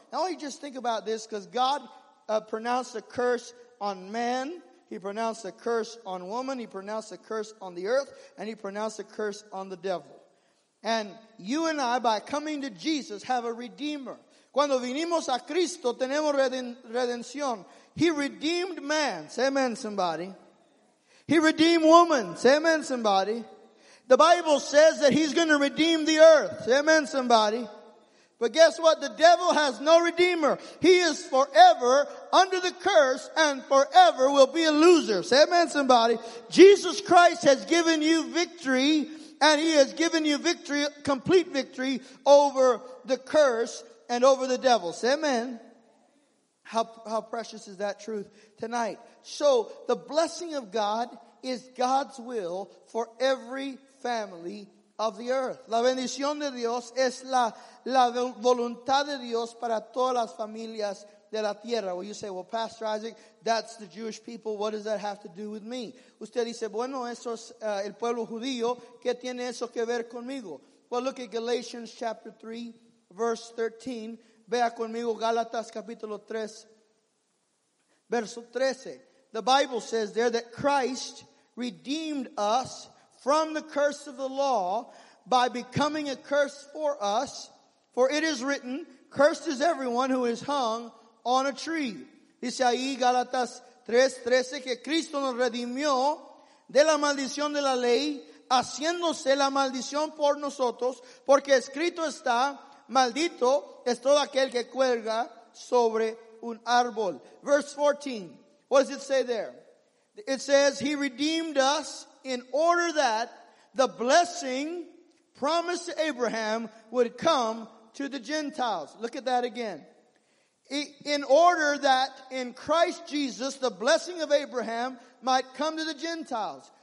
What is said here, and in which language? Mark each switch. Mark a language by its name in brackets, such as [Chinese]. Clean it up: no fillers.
[English] Now, you just think about this, because God pronounced a curse on man. He pronounced a curse on woman. He pronounced a curse on the earth. And he pronounced a curse on the devil. And you and I, by coming to Jesus, have a redeemer. [Spanish] Cuando vinimos a Cristo, tenemos redención. [English] He redeemed man. Say amen, somebody. He redeemed woman. Say amen, somebody. The Bible says that he's going to redeem the earth. Say amen, somebody. But guess what? The devil has no redeemer. He is forever under the curse and forever will be a loser. Say amen, somebody. Jesus Christ has given you victory, and he has given you victory, complete victory over the curse and over the devil. Say amen. How precious is that truth tonight? So the blessing of God is God's will for every family of the earth. [Spanish] La bendición de Dios es la voluntad de Dios para todas las familias de la tierra. [English] Well, you say, well, Pastor Isaac, that's the Jewish people. What does that have to do with me? [Spanish] Usted dice, bueno, eso es el pueblo judío. ¿Qué tiene eso que ver conmigo? [English] Well, look at Galatians chapter 3, verse 13. [Spanish] Vea conmigo Gálatas capítulo 3, verso 13. [English] The Bible says there that Christ redeemed us from the curse of the law by becoming a curse for us. For it is written, cursed is everyone who is hung on a tree. [Spanish] Dice ahí Gálatas 3:13 que Cristo nos redimió de la maldición de la ley, haciéndose la maldición por nosotros, porque escrito está, maldito es todo aquel que cuelga sobre un árbol. [English] Verse 14. What does it say there? It says, he redeemed us in order that the blessing promised to Abraham would come to the Gentiles. Look at that again. In order that in Christ Jesus, the blessing of Abraham might come to the Gentiles.